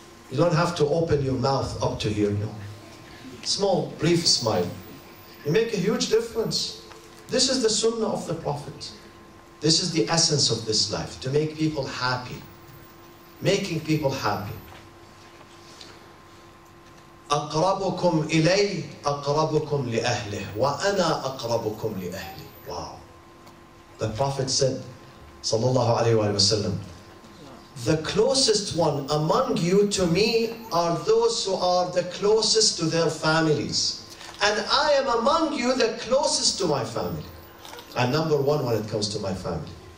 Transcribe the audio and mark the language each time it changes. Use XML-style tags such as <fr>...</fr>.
<en>You don't have to open your mouth up to here, no. Small, brief smile. You make a huge difference. This is the Sunnah of the Prophet. This is the essence of this life, to make people happy. Making people happy.</en> <ar>أقربكم إلي أقربكم لأهله وأنا أقربكم لأهلي.</ar> <en>Wow. The Prophet said, صلى الله عليه وسلم, the closest one among you to me are those who are the closest to their families. And I am among you the closest to my family. I'm number one when it comes to my family.</en>